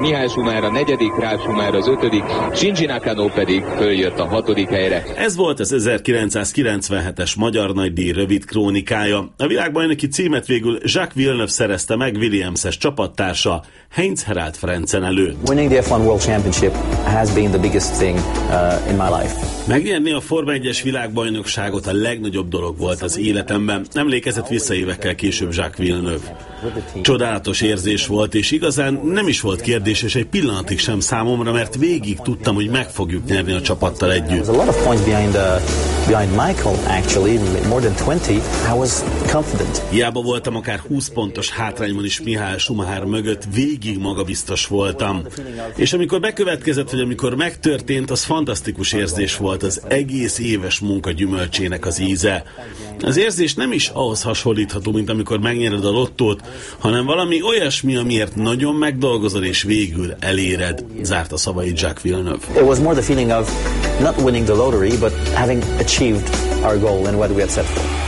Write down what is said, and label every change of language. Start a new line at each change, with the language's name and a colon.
Hungarian: Mihály Schumacher a negyedik, Ralf Schumacher az ötödik, Shinji Nakano pedig följött a hatodik helyre. Ez volt az 1997-es Magyar Nagydíj rövid krónikája. A világbajnoki címet végül Jacques Villeneuve szerezte meg Williams-es csapattársa, Heinz Harald Frentzen előtt.
English: Winning the F1 World Championship has been the biggest thing in my life.
Hungarian: Megnyerni a Forma 1-es világbajnokságot a legnagyobb dolog volt az életemben. Emlékezett vissza évekkel később Jacques Villeneuve. Csodálatos érzés volt, és igazán nem is volt kérdés, és egy pillanatig sem számomra, mert végig tudtam, hogy meg fogjuk nyerni a csapattal együtt.
English: There was a lot of points behind Michael, actually, more than 20. I was confident.
Hungarian: Hiába voltam akár 20 pontos hátrányban is Mihály Schumacher mögött, végig magabiztos voltam. És amikor bekövetkezett, hogy amikor megtörtént, az fantasztikus érzés volt az egész éves munka gyümölcsének az íze. Az érzés nem is ahhoz hasonlítható, mint amikor megnyered a lottót, hanem valami olyasmi, amiért nagyon megdolgozol és végül eléred, zárt a szavait Jacques Villeneuve.
English: It was more the feeling of not winning the lottery, but having achieved our goal and what we had set for.